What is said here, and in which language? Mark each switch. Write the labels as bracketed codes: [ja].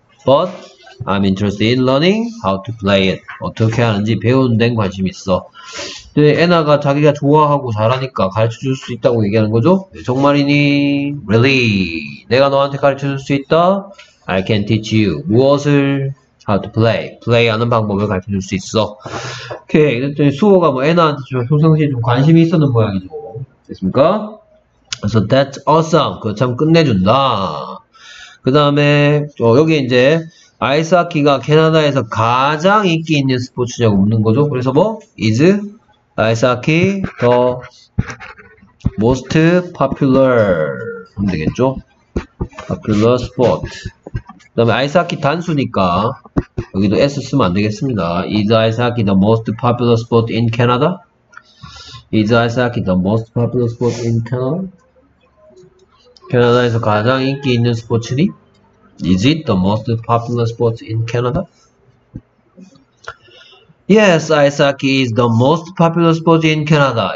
[en] But I'm interested in learning how to play it. [ko] 어떻게 하는지 배운 데 관심이 있어. 근데 애나가 자기가 좋아하고 잘하니까 가르쳐 줄 수 있다고 얘기하는 거죠. 네, 정말이니? [en] Really? [ko] 내가 너한테 가르쳐 줄 수 있다? [en] I can teach you. [ko] 무엇을? [en] How to play. [ko] 플레이하는 방법을 가르쳐 줄 수 있어. 오케이. 그랬더니 수호가 뭐 애나한테 좀 평상시에 좀 관심이 있었는 모양이죠. 됐습니까? 그래서 [en] that's awesome. [ko] 그거 참 끝내준다. 그 다음에 어, 여기 이제 아이스하키가 캐나다에서 가장 인기 있는 스포츠냐고 묻는 거죠. 그래서 뭐? Is 아이스하키 [en] the most popular? [ko] 하면 되겠죠? [en] Popular sport. [ko] 그 다음에 아이스하키 단수니까 여기도 S 쓰면 안되겠습니다. [en] Is ice hockey the most popular sport in Canada? Is ice hockey the most popular sport in Canada? [ko] 캐나다에서 가장 인기 있는 스포츠니? [en] Is it the most popular sport in Canada? Yes, ice hockey is the most popular sport in Canada.